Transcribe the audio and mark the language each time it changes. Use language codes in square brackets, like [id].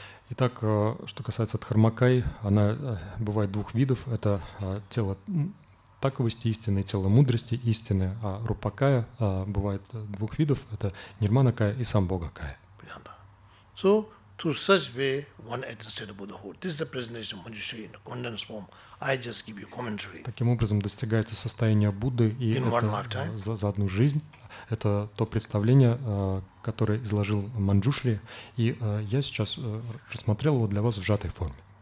[ru] Итак, что касается дхармакаи, она бывает двух видов. Это тело таковости истины, тело мудрости истины. А рупакая бывает двух видов. Это нирманакая и самбхогакая. Понятно. [en] So, to such way, one attains the Buddhahood. This is the presentation of Manjushri in a condensed form. I just give you commentary. [ru] Таким образом, достигается состояние Будды и это за одну жизнь. Это то представление, которое изложил Манджушри, и я сейчас рассмотрел его для вас в сжатой форме.